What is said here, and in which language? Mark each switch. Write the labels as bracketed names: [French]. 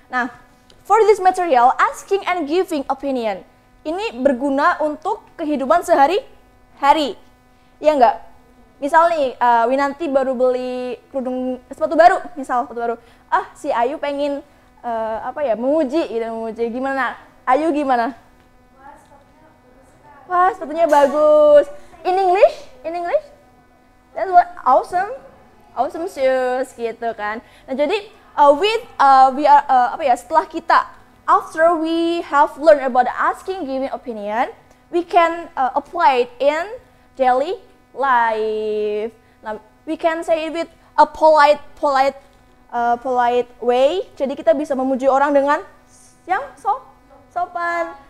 [English] Nah, for this material, asking and giving opinion. [Indonesian] Ini berguna untuk kehidupan sehari-hari. Iya enggak? Misal nih, Winanti baru beli sepatu baru. Ah, si Ayu pengin memuji. Gimana? Ayu gimana? Wah, sepatunya bagus. [English] In English? That's what awesome. Awesome shoes [Indonesian] gitu kan. Nah, jadi [English] after we have learned about asking, giving opinion, we can apply it in daily life. Now, we can say it with a polite way. [Indonesian] Jadi kita bisa memuji orang dengan yang sopan.